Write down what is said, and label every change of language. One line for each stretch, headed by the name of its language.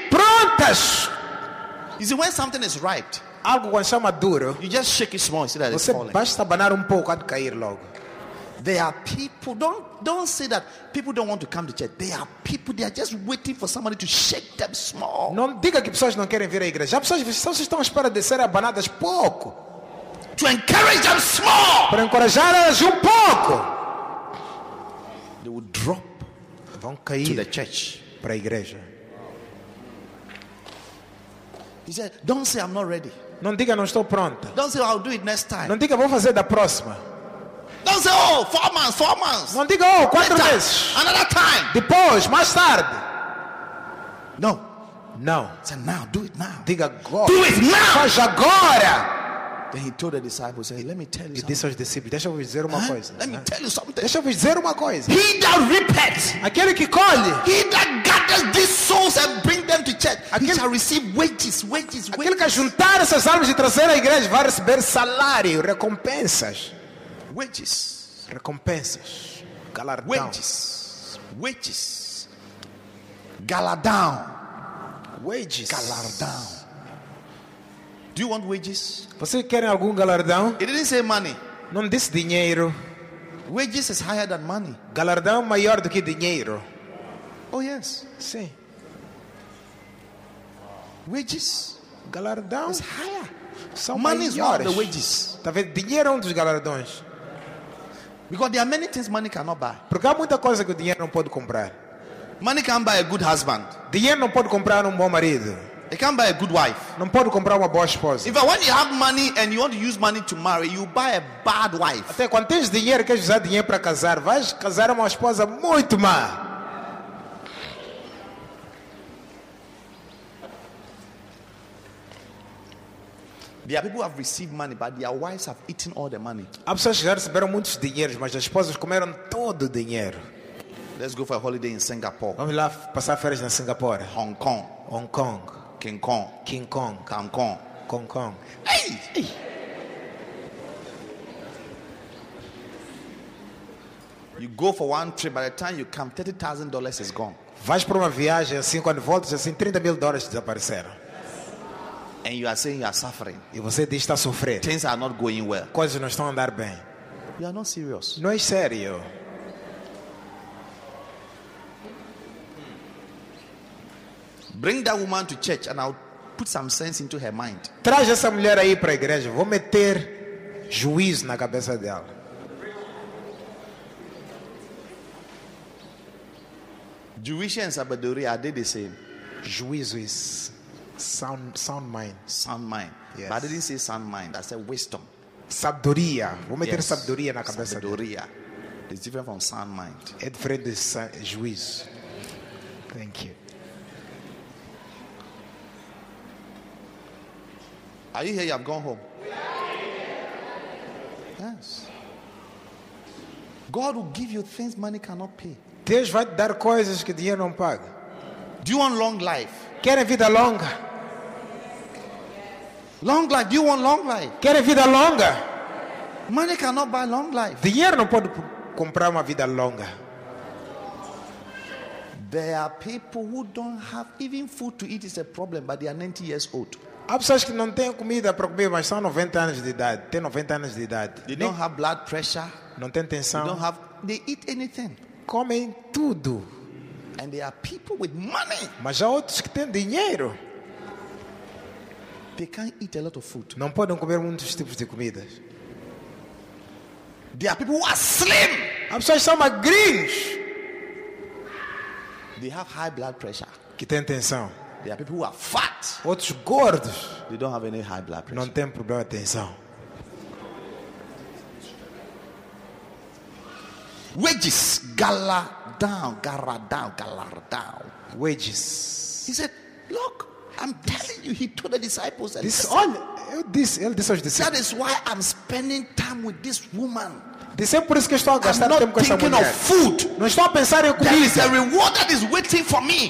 Portuguese: Prontas.
English: Is it when something is ripe?
Portuguese: Algo quando está maduro.
English: You just shake it small, see that
Portuguese: você
English: it's falling.
Portuguese: Basta abanar pouco antes de cair logo.
English: There are people. Don't say that people don't want to come to church. There are people. They are just waiting for somebody to shake them small.
Portuguese: Não diga que pessoas não querem vir à igreja. As pessoas estão à espera de serem abanadas pouco.
English: To encourage them small.
Portuguese: Para encorajar elas pouco.
English: They will drop.
Portuguese: Vão cair
English: to the church.
Portuguese: Para a igreja.
English: He said, "Don't say I'm not ready."
Portuguese: Não diga não estou pronta.
English: Don't say I'll do it next time.
Portuguese: Não diga vou fazer da próxima.
English: Don't say, oh, 4 months.
Portuguese: Não diga, oh, 4 meses.
English: Another time.
Portuguese: Depois, mais tarde.
English: No. No. Say now, do it now.
Portuguese: Diga agora.
English: Do it now.
Portuguese: Faz agora.
English: Then he told the disciples, hey, let me tell you
Portuguese: something. E disse aos discípulos, deixa eu dizer uma coisa.
English: Let me tell you something.
Portuguese: Deixa eu dizer uma coisa.
English: He that reapeth.
Portuguese: Aquele que colhe.
English: He that gathers these souls and bring them to church. He shall receive wages.
Portuguese: Aquele que juntar essas almas e trazer à igreja vai receber salário, recompensas.
English: Wages,
Portuguese: recompensas, galardão.
English: Wages, galardão. Wages, galardão. Do you want wages?
Portuguese: Você quer algum galardão?
English: It didn't say money.
Portuguese: Não disse dinheiro.
English: Wages is higher than money.
Portuguese: Galardão maior do que dinheiro.
English: Oh yes,
Portuguese: sim.
English: Wages,
Portuguese: galardão.
English: Is higher.
Portuguese: São
English: money
Portuguese: maiores.
English: Is not the wages.
Portuguese: Tá vendo? Dinheiro é um dos galardões.
English: Because there are many things money cannot buy.
Portuguese: Porque há muita coisa que o dinheiro não pode comprar.
English: Money can't buy a good husband.
Portuguese: Dinheiro não pode comprar bom marido.
English: It can't buy a good wife.
Portuguese: Não pode comprar uma boa esposa.
English: If when you have money and you want to use money to marry, you buy a bad wife.
Portuguese: Até quando tens dinheiro e queres usar dinheiro para casar, vais casar uma esposa muito má.
English: There are people who have received money, but their wives have eaten all the money.
Portuguese: Há pessoas que já receberam muitos dinheiros, mas as esposas comeram todo o dinheiro.
English: Let's go for a holiday in Singapore.
Portuguese: Vamos lá passar férias na Singapura.
English: Hong Kong. Hong Kong. King Kong. King Kong. Hong Kong. Hong Kong. Hey! Hey! You go for one trip, by the time you come, $30,000 is gone.
Portuguese: Vais para uma viagem, assim, quando voltas, assim, $30,000 desapareceram.
English: And you are saying you are suffering.
Portuguese: E você diz que está a sofrer.
English: Things are not going well.
Portuguese: Coisas não estão a andar bem.
English: You are not serious.
Portuguese: Não é sério.
English: Bring that woman to church and I'll put some sense into her mind.
Portuguese: Traz essa mulher aí para a igreja. Vou meter juízo na cabeça dela. Juízo e sabedoria,
English: are they the same? Juízo is sound mind. Sound mind. Yes. But I didn't say sound mind. I said wisdom.
Portuguese: Sabedoria. Vou meter yes. Sabedoria na cabeça sabedoria. Dela.
English: Sabedoria. It's different from sound mind.
Portuguese: É diferente de juízo.
English: Thank you. Are you here? You have gone home. Yes. God will give you things money cannot pay.
Portuguese: Deus vai dar coisas que dinheiro não paga.
English: Do you want long life?
Portuguese: Quer vida longa?
English: Long life. Do you want long life?
Portuguese: Quer vida longa?
English: Money cannot buy long life.
Portuguese: Dinheiro não pode comprar uma vida longa.
English: There are people who don't have even food to eat. It's a problem, but they are 90 years old.
Portuguese: Há pessoas que não têm comida para comer, mas são 90 anos de idade. Têm 90 anos de idade.
English: They don't have blood pressure.
Portuguese: Não têm tensão.
English: They don't have. They eat anything.
Portuguese: Comem tudo.
English: And there are people with money.
Portuguese: Mas há outros que têm dinheiro.
English: They can't eat a lot of food.
Portuguese: Não podem comer muitos tipos de comidas.
English: There are people who are slim.
Portuguese: Há pessoas que são magrinhos.
English: They have high blood pressure.
Portuguese: Que têm tensão.
English: There are people who are fat.
Portuguese: Outros gordos.
English: They don't have any high blood pressure.
Portuguese: Não tem problema de tensão.
English: Wages. Gala down. Gala down. Gala down. Wages. He said, look, I'm telling you, he told the disciples. And this all. This all. That is why I'm spending time with this woman.
Portuguese: Disse, por isso que estou a gastar tempo com essa mulher.
English: Of food.
Portuguese: Não estou a pensar em comida.
English: There is a reward that is waiting for me.